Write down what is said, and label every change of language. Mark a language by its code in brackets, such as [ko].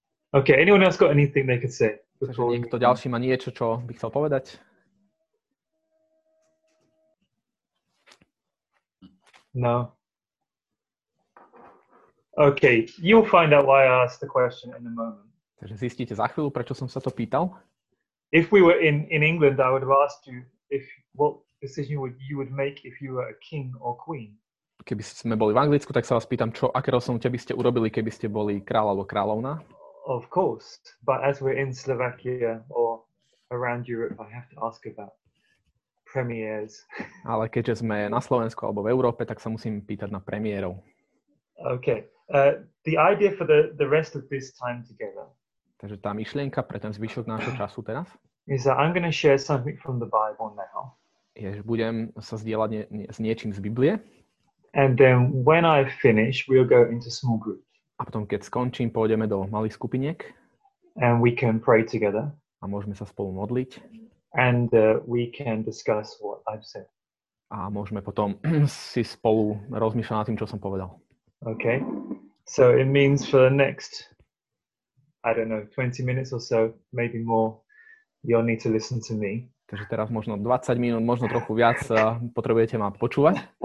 [en] Okay, anyone else got anything they could say? [sk] Takže niekto ďalší má niečo, čo by chcel povedať? [en] No. Okay, you'll find out why I asked the question in a moment. [sk] Takže zistíte za chvíľu, prečo som sa to pýtal? [en] If we were in England, I would have asked you if what decision you would make if you were a king or queen. [sk] Keby sme boli v Anglicku, tak sa vás pýtam, čo aké rozhodnutie by ste urobili, keby ste boli kráľ alebo kráľovná? [en] Of course, but as we're in Slovakia or around Europe, I have to ask about premiers. [sk] Ale keďže sme na Slovensku alebo v Európe, tak sa musím pýtať na premiérov. [en] Okay. The idea for the rest of this time together. [sk] Takže tá myšlienka pre ten zvyšok nášho času teraz. [en] Is that I'm going to share something from the Bible now. [sk] Je, že budem sa zdieľať s niečím z Biblie. [en] And then when I finish, we'll go into small groups. [sk] A potom keď skončím, pôjdeme do malých skupiniek. [en] And we can pray together. [sk] A môžeme sa spolu modliť. [en] And we can discuss what I've said. [sk] A môžeme potom si spolu rozmýšľať nad tým, čo som povedal. [en] Okay. So it means for the next, I don't know, 20 minutes or so, maybe more, you'll need to listen to me. [sk] Takže teraz možno 20 minút, možno trochu viac potrebujete ma počúvať.